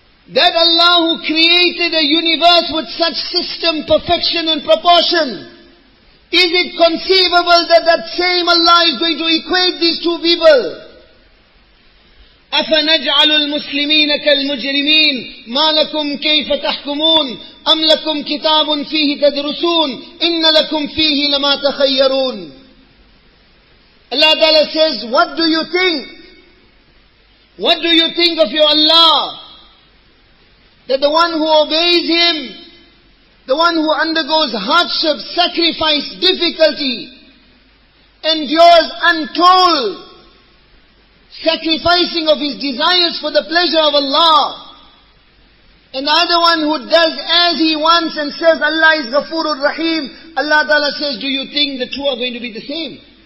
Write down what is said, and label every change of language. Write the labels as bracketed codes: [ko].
[en] That Allah who created a universe with such system, perfection and proportion, is it conceivable that same Allah is going to equate these two people? [ar] أَفَنَجْعَلُ الْمُسْلِمِينَ كَالْمُجْرِمِينَ مَا لَكُمْ كَيْفَ تَحْكُمُونَ أَمْ لَكُمْ كِتَابٌ فِيهِ تَدْرُسُونَ إِنَّ لَكُمْ فِيهِ لَمَا تَخَيَّرُونَ [en] Allah Ta'ala says, what do you think? What do you think of your Allah? That the one who obeys Him, the one who undergoes hardship, sacrifice, difficulty, endures untold sacrificing of his desires for the pleasure of Allah, and the other one who does as he wants and says Allah is Ghafoorur Rahim, Allah Ta'ala says, do you think the two are going to be the same?